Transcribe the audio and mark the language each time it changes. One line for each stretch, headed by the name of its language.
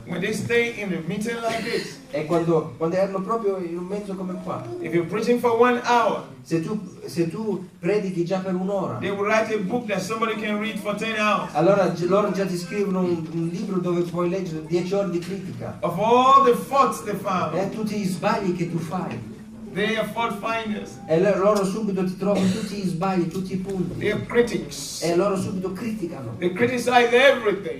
English: When they stay in a meeting like this.
Italian: E quando erano proprio in un mezzo come qua.
English: If you're preaching for one hour.
Italian: Se tu predichi già per un'ora.
English: They will write a book that somebody can read for 10 hours.
Italian: Allora loro già ti scrivono un libro dove puoi leggere 10 ore di critica.
English: Of all the faults they found.
Italian: E tutti gli sbagli che tu fai.
English: They are fault finders.
Italian: E loro subito ti trovano tutti gli sbagli, tutti i punti.
English: They are critics.
Italian: E loro subito criticano.
English: They criticize everything.